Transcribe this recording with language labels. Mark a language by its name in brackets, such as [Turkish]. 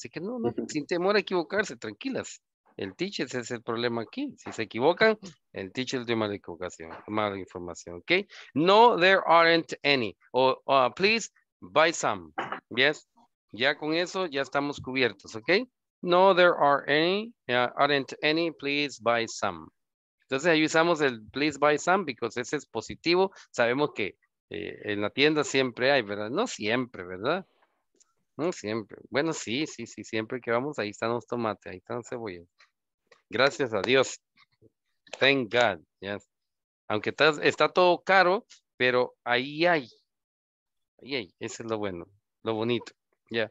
[Spanish] Así que no, sin temor a equivocarse, tranquilas. El teacher es el problema aquí. Si se equivocan, el teacher les dio mala equivocación, mala información, ¿ok? [English] No, there aren't any. O please buy some. Yes, [Spanish] ya con eso ya estamos cubiertos, ¿ok? [English] No, there are any, aren't any, please buy some. [Spanish] Entonces ahí usamos el [English] please buy some because [Spanish] ese es positivo. Sabemos que en la tienda siempre hay, ¿verdad? No siempre, ¿verdad? No siempre. Bueno, sí, siempre que vamos, ahí están los tomates, ahí están los cebollas. Gracias a Dios. [English] Thank God, yes. [Spanish] Aunque está todo caro, pero ahí hay, ese es lo bueno, lo bonito, ya.